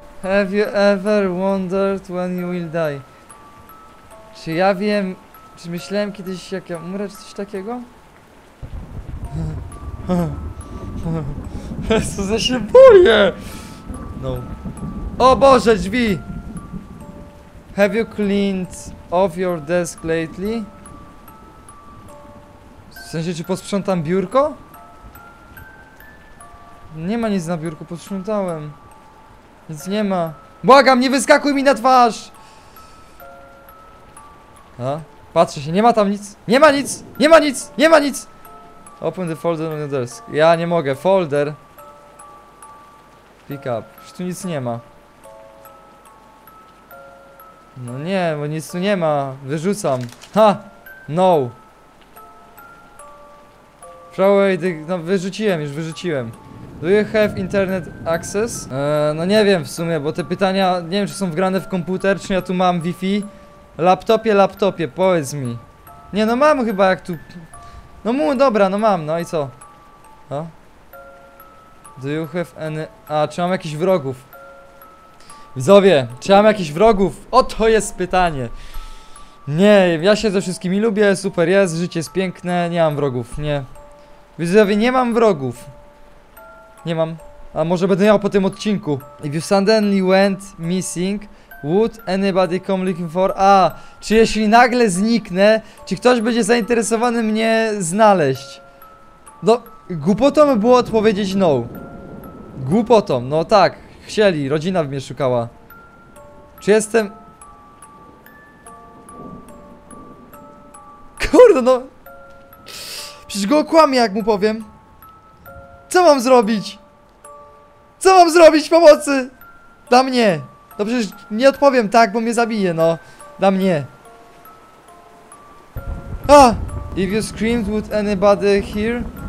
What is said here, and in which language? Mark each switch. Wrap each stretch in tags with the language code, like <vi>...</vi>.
<en>Have you ever wondered when you will die?</en> <pl>Czy ja wiem... Czy myślałem kiedyś, jak ja umrę, czy coś takiego? Jezus, ja się boję! No. O Boże, drzwi!</pl> <en>Have you cleaned off your desk lately?</en> <pl>W sensie, czy posprzątam biurko? Nie ma nic na biurku, posprzątałem. Nic nie ma. Błagam, nie wyskakuj mi na twarz! A? Patrzę się, nie ma tam nic. Nie ma nic! Nie ma nic! Nie ma nic!</pl> <en>Open the folder on your desk.</en> <pl>Ja nie mogę, folder.</pl> <en>Pick up.</en> <pl>Już tu nic nie ma. No nie, bo nic tu nie ma. Wyrzucam. Ha! No!</pl> <en>Throwaway the...</en> <pl>No wyrzuciłem, już wyrzuciłem.</pl> <en>Do you have internet access?</en> <pl>No nie wiem w sumie, bo te pytania, nie wiem czy są wgrane w komputer, czy ja tu mam Wi-Fi. Laptopie, laptopie, powiedz mi. Nie, no mam chyba jak tu... No mu, dobra, no mam, no i co? No.</pl> <en>Do you have any...</en> <pl>A, czy mam jakichś wrogów? Widzowie, czy mam jakichś wrogów? Oto jest pytanie. Nie, ja się ze wszystkimi lubię, super jest, życie jest piękne, nie mam wrogów, nie. Widzowie, nie mam wrogów. Nie mam. A może będę miał po tym odcinku.</pl> <en>If you suddenly went missing, would anybody come looking for...</en> <pl>A, czy jeśli nagle zniknę, czy ktoś będzie zainteresowany mnie znaleźć? No, głupotą by było odpowiedzieć no. Głupotą, no tak. Chcieli, rodzina by mnie szukała. Czy jestem... Kurde, no... Przecież go okłamię, jak mu powiem. Co mam zrobić? Co mam zrobić pomocy? Dla mnie. No przecież nie odpowiem tak, bo mnie zabije, no. Dla mnie. A!</pl> <en>If you screamed, would anybody hear?</en>